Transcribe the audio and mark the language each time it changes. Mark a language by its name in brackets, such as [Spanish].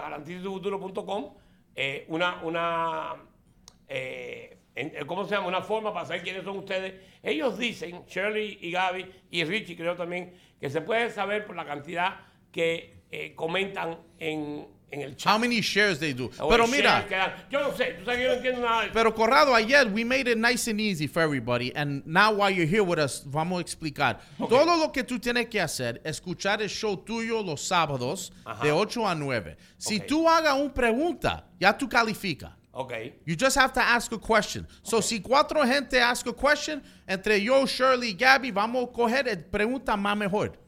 [Spanish] garantizetufuturo.com una forma para saber quiénes son ustedes. Ellos dicen, Shirley y Gaby y Richie creo también, que se puede saber por la cantidad que comentan en el chat. [English] How many shares they do. [Spanish] Pero mira, yo no sé, tú sabes que yo no entiendo nada de eso. Pero Corrado, ayer [English] we made it nice and easy for everybody, and now while you're here with us, [Spanish] vamos a explicar. [English] Okay. [Spanish] Todo lo que tú tienes que hacer, escuchar el show tuyo los sábados de 8 a 9. Si tú hagas una pregunta, ya tú califica. [English] Okay. You just have to ask a question. [Spanish] So si cuatro gente [English] ask a question, [Spanish] entre yo, Shirley, Gabby, vamos a coger la pregunta más mejor.